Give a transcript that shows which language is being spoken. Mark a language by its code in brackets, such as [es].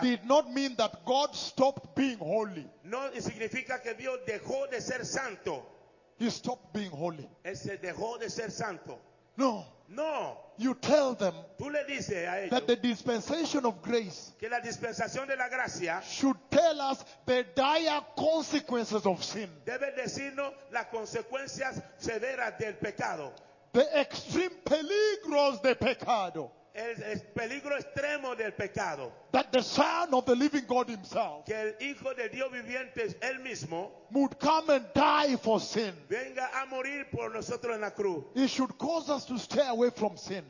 [en] did not mean that God stopped being holy. [es] No significa que Dios dejó de ser santo. [en] He stopped being holy. [es] Él se dejó de ser santo. No. No. [en] You tell them, [es] tú le dices a ellos, [en] that the dispensation of grace, [es] que la dispensación de la gracia, [en] should tell us the dire consequences of sin. [es] Debe decirnos las consecuencias severas del pecado. [en] The extreme [es] peligros de pecado. El peligro extremo del pecado. [en] That the Son of the Living God Himself, [es] que el Hijo de Dios viviente él mismo, [en] would come and die for sin. [es] Venga a morir por nosotros en la cruz. [en] It should cause us to stay away from sin.